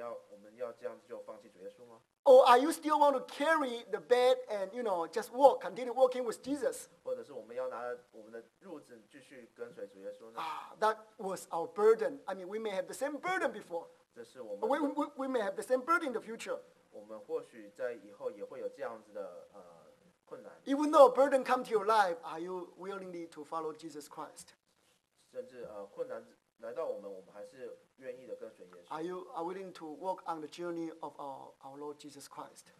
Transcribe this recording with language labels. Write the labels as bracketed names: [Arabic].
[Chinese] 但是当我们被痊愈之后，但我们又生病了，我们要这样子就放弃主耶稣吗？ [English] Or are you still want to carry the bed and you know just walk, continue walking with Jesus? [Chinese] 或者是我们要拿我们的褥子继续跟随主耶稣呢？ [English] That was our burden. I mean, we may have the same burden before. [Chinese] 这是我们。 [English] We may have the same burden in the future. [Chinese] 我们或许在以后也会有这样子的困难。 [English] Even though a burden come to your life, are you willingly to follow Jesus Christ? [Chinese] 甚至困难来到我们，我们还是愿意的跟随耶稣。 [English] Are willing to walk on the journey of our Lord Jesus Christ?